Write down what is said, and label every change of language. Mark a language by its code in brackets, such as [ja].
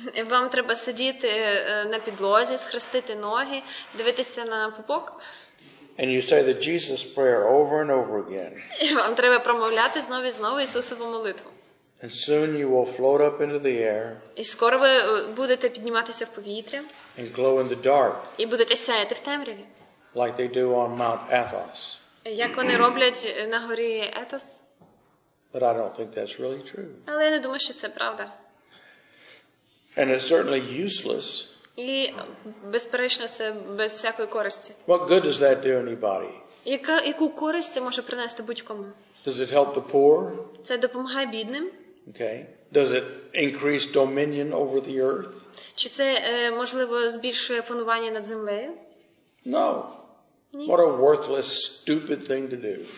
[uk] Вам треба сидіти на підлозі, схрестити ноги, дивитися на пупок. [en] And you say the Jesus prayer over and over again. [uk] І вам треба промовляти знову і знову Ісусову молитву. [en] And soon you will float up into the air. [uk] І скоро ви будете підніматися в повітря. [en] And glow in the dark. [uk] І будете сяяти в темряві. [en] Like they do on Mount Athos. [uk] Як вони роблять на горі Етос. [en] But I don't think that's really true. [uk] Але я не думаю, що це правда. [en] And it's certainly useless. [uk] І безперечно, це без всякої користі. [en] What good does that do anybody? [uk] Яку користь це може принести будь-кому? [en] Does it help the poor? [uk] Це допомагає бідним? [en] Okay. Does it increase dominion over the earth? [uk] Чи це можливо збільшує панування над землею? [en] No. [uk] Ні. [en] What a worthless, stupid thing to do.